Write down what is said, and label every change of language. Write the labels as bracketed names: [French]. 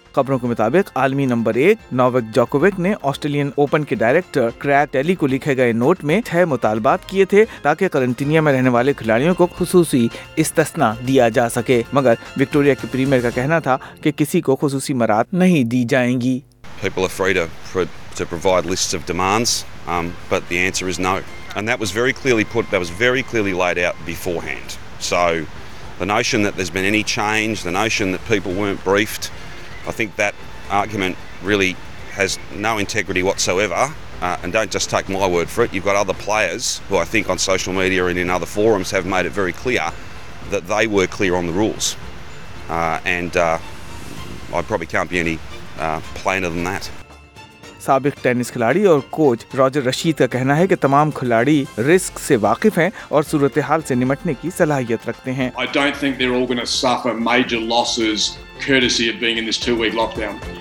[Hindi] खबरों के मुताबिक आलमी नंबर एक नोवाक जोकोविक ने ऑस्ट्रेलियन ओपन के डायरेक्टर क्रैग टेली को लिखे गए नोट में 6 मुतालबात किए थे, ताकि करंटिनिया में रहने वाले खिलाड़ियों को खुसूसी इस्तस्ना दिया जा सके, मगर विक्टोरिया के प्रीमियर का कहना था कि किसी को खुसूसी मरात नहीं दी जाएंगी। [English] People are free to provide lists of demands, but the answer is no. And that was very clearly put, that was very clearly laid out beforehand. So the notion that there's been any change, the notion that people weren't briefed, I think that argument really has no integrity whatsoever, and don't just take my word for it. You've got other players who I think on social media and in other forums have made it very clear that they were clear on the rules, and I probably can't be any plainer than that. [Hindi] साबिक tennis खिलाड़ी और coach Roger Rashid का कहना है कि तमाम खिलाड़ी risk से वाकिफ हैं और सूरत हाल से निमटने की सलाहियत रखते हैं। [English] I don't think they're all going to suffer major losses courtesy of being in this two-week lockdown.